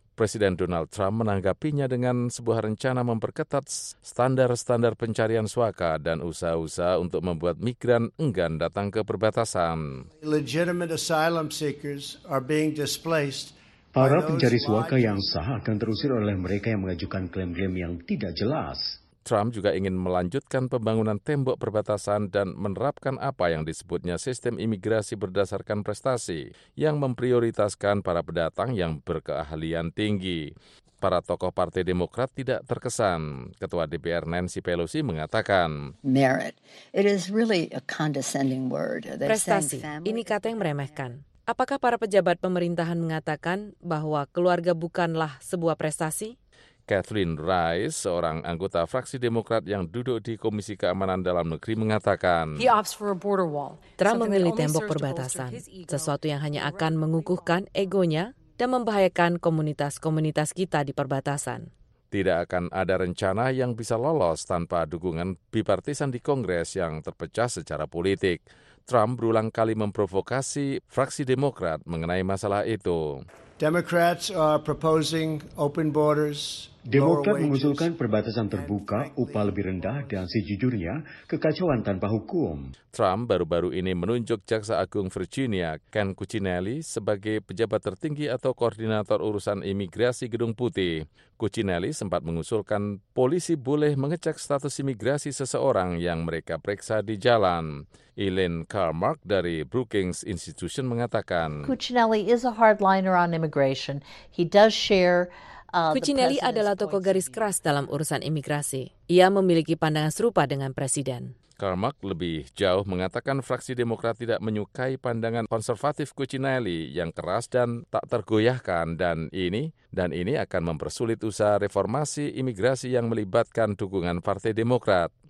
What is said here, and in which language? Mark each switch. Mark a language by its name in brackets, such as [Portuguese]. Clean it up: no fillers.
[Indonesian] Presiden Donald Trump menanggapinya dengan sebuah rencana memperketat standar-standar pencarian suaka dan usaha-usaha untuk membuat migran enggan datang ke perbatasan. [English] Legitimate asylum seekers are being displaced. [Indonesian] Para pencari suaka yang sah akan terusir oleh mereka yang mengajukan klaim-klaim yang tidak jelas. Trump juga ingin melanjutkan pembangunan tembok perbatasan dan menerapkan apa yang disebutnya sistem imigrasi berdasarkan prestasi yang memprioritaskan para pendatang yang berkeahlian tinggi. Para tokoh Partai Demokrat tidak terkesan. Ketua DPR Nancy Pelosi mengatakan, [English] merit. It is really a condescending word. [Indonesian] Prestasi, ini kata yang meremehkan. Apakah para pejabat pemerintahan mengatakan bahwa keluarga bukanlah sebuah prestasi? Catherine Rice, seorang anggota fraksi Demokrat yang duduk di Komisi Keamanan Dalam Negeri, mengatakan, Trump memilih tembok perbatasan, sesuatu yang hanya akan mengukuhkan egonya dan membahayakan komunitas-komunitas kita di perbatasan. Tidak akan ada rencana yang bisa lolos tanpa dukungan bipartisan di Kongres yang terpecah secara politik. Trump berulang kali memprovokasi fraksi Demokrat mengenai masalah itu. [English] Democrats are proposing open borders. [Indonesian] Demokrat mengusulkan perbatasan terbuka, upah lebih rendah, dan sejujurnya kekacauan tanpa hukum. Trump baru-baru ini menunjuk Jaksa Agung Virginia Ken Cuccinelli sebagai pejabat tertinggi atau koordinator urusan imigrasi Gedung Putih. Cuccinelli sempat mengusulkan polisi boleh mengecek status imigrasi seseorang yang mereka periksa di jalan. Elaine Karmark dari Brookings Institution mengatakan, [English] Cuccinelli is a hardliner on immigration. He does share [Indonesian] Cuccinelli adalah tokoh garis keras dalam urusan imigrasi. Ia memiliki pandangan serupa dengan Presiden. Karmak lebih jauh mengatakan fraksi Demokrat tidak menyukai pandangan konservatif Cuccinelli yang keras dan tak tergoyahkan dan ini akan mempersulit usaha reformasi imigrasi yang melibatkan dukungan Partai Demokrat.